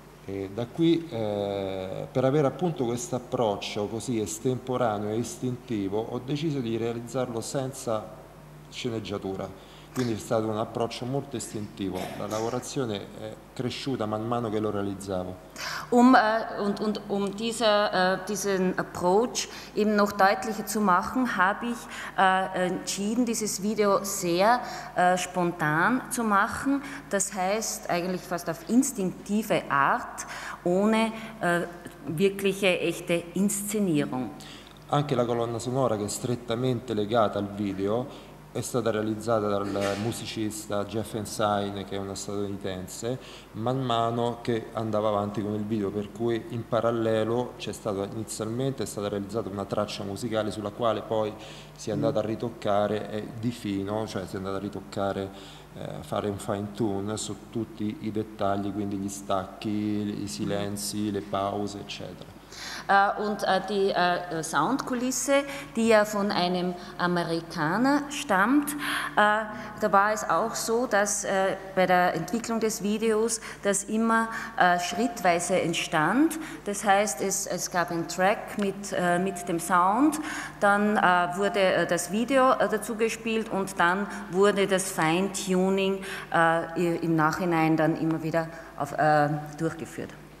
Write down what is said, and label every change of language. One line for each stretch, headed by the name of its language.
Italian: E da qui, per avere appunto questo approccio così estemporaneo e istintivo, ho deciso di realizzarlo senza sceneggiatura, quindi è stato un approccio molto istintivo. La lavorazione è cresciuta man mano che lo realizzavo.
German: Um diese, diesen Approach eben noch deutlicher zu machen, habe ich entschieden, dieses Video sehr spontan zu machen. Das heißt eigentlich fast auf instinktive Art, ohne wirkliche echte Inszenierung.
Italian: Anche la colonna sonora, che è strettamente legata al video, è stata realizzata dal musicista Jeff Ensign, che è uno statunitense, man mano che andava avanti con il video, per cui in parallelo c'è stata inizialmente è stata realizzata una traccia musicale sulla quale poi si è andata a ritoccare di fino, cioè si è andata a ritoccare, fare un fine tune su tutti i dettagli, quindi gli stacchi, i silenzi, le pause, eccetera.
German: Und die Soundkulisse, die ja von einem Amerikaner stammt, da war es auch so, dass bei der Entwicklung des Videos das immer schrittweise entstand. Das heißt, es gab einen Track mit dem Sound, dann wurde das Video dazu gespielt und dann wurde das Feintuning im Nachhinein dann immer wieder durchgeführt.